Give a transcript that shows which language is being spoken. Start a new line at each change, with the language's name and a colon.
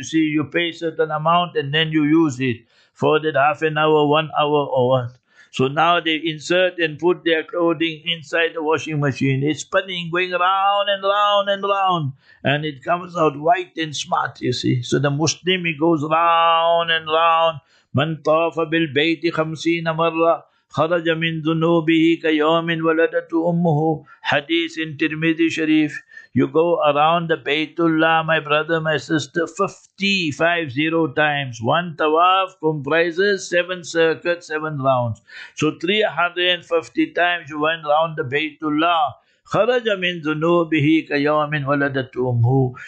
English: You see, you pay certain amount and then you use it for that half an hour, 1 hour or what. So now they insert and put their clothing inside the washing machine. It's spinning, going round and round and round. And it comes out white and smart, you see. So the Muslim, he goes round and round.
Arabic: من طاف بالبيت خمسين مرة خرج من ذنوبه كيوم ولدت أمه.
English: Hadith in Tirmidhi Sharif. You go around the Baytullah, my brother, my sister, 50 times. One tawaf comprises 7 circuits, 7 rounds. So 350 times you went around the Baytullah.
Arabic: خَرَجَ مِنْ ذُنُوبِهِ كَيَوْمٍ وَلَدَتُ أُمْهُ.